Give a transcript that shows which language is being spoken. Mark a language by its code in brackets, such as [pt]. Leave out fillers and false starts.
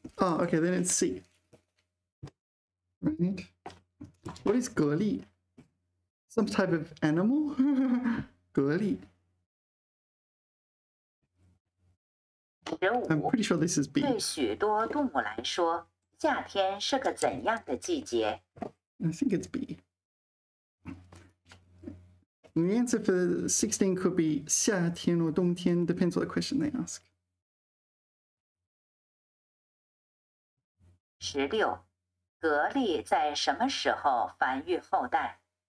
[en] 哦、oh, okay, then it's C. Right? What is 蛤蜊？ Some type of animal? 蛤蜊 I'm pretty sure this is B. [zh] 对许多动物来说，夏天是个怎样的季节？ [en] I think it's B. The answer for 16 could be 夏天 or 冬天, depends what question they ask. [zh] 十六，蛤蜊在什么时候繁育后代？